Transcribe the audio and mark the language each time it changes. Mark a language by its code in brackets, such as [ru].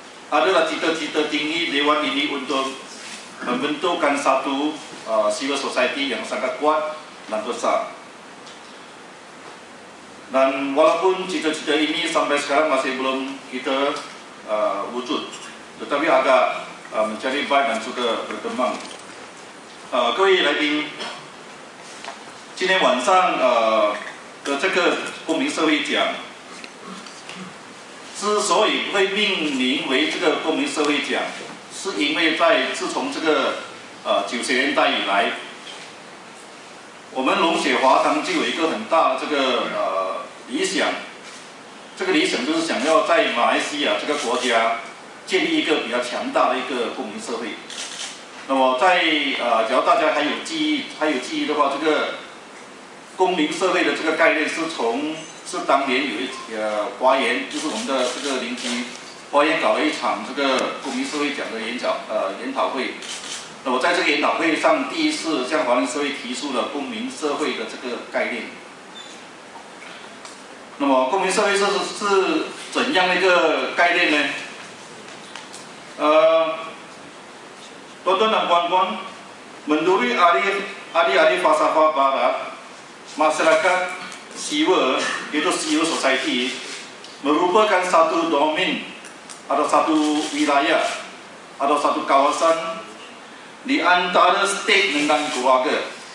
[ms] adalah cita-cita tinggi Dewan ini untuk membentukkan satu civil society yang sangat kuat dan besar. Dan walaupun cita-cita ini sampai sekarang masih belum kita wujud, tetapi agak mencari baik dan suka berkembang. [zh] 各位来宾今天晚上的这个公民社会奖，之所以会命名为这个公民社会奖，是因为在自从这个90年代以来，我们龙雪华堂就有一个很大的这个理想，这个理想就是想要在马来西亚这个国家建立一个比较强大的一个公民社会。那么在只要大家还有记忆的话，这个公民社会的这个概念是当年有一华研，就是我们的这个邻居华研搞了一场这个公民社会奖的研讨会。那我在这个研讨会上第一次向华人社会提出了公民社会的这个概念。那么公民社会是怎样的一个概念呢？ [ms] Tuan Tuan dan Puan Puan, menurut ahli-ahli falsafah barat, masyarakat civil, iaitu civil society, merupakan satu domain atau satu wilayah atau satu kawasan di antara state dengan keluarga.